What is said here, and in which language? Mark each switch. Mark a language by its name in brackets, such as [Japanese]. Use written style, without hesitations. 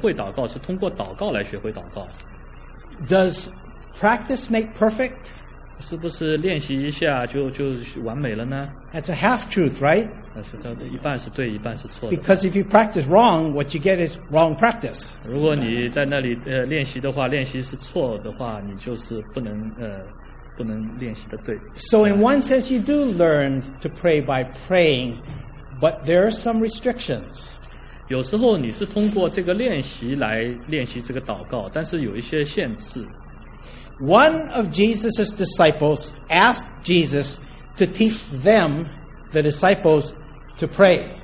[Chinese] 有没有大家同意你们祷告的时候是学会祷告，是通过祷告来学会祷告？ [English] Does practice make perfect? [Chinese] 是不是练习一下就完美了呢？ [English] That's a half-truth, right? [Chinese] 一半是对，一半是错的。 [English] Because if you practice wrong, what you get is wrong practice. [Chinese] 如果你在那里练习的话，练习是错的话，你就是不能练习的对。So [English] in one sense, you do learn to pray by praying, but there are some restrictions. [Chinese] 有时候你是通过这个练习来练习这个祷告，但是有一些限制。One [English] of Jesus' disciples asked Jesus to teach them, the disciples, to pray.